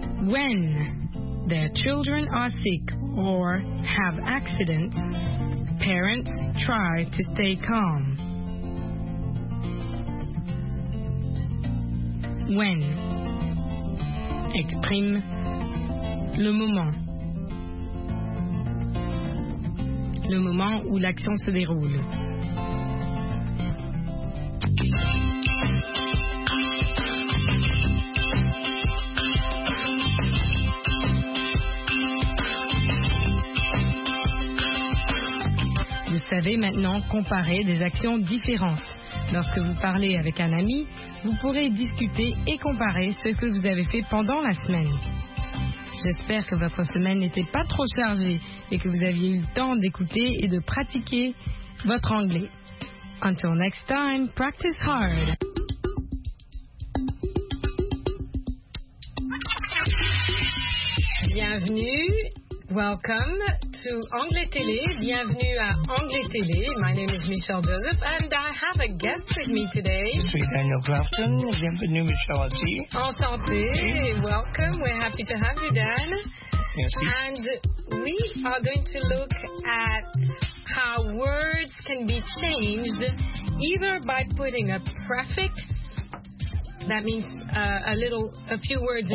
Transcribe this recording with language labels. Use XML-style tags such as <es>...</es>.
<en>When their children are sick or have accidents, parents try to stay calm.</en> <fr>When exprime le moment où l'action se déroule. Vous savez maintenant comparer des actions différentes. Lorsque vous parlez avec un ami, vous pourrez discuter et comparer ce que vous avez fait pendant la semaine. J'espère que votre semaine n'était pas trop chargée et que vous aviez eu le temps d'écouter et de pratiquer votre anglais.</fr> <en>Until next time, practice hard.</en> <fr>Bienvenue.</fr> <en>Welcome to Anglais Télé.</en> <fr>Bienvenue à Anglais Télé.</fr> <en>My name is Michelle Joseph, and I have a guest with me today. This is Daniel Clafton.</en> <fr>Bienvenue, Michelle aussi.</fr> <en>Enchanté. Welcome. We're happy to have you, Dan.</en> <fr>Merci.</fr> <en>And we are going to look at how words can be changed either by putting a prefix, that means a few words</en>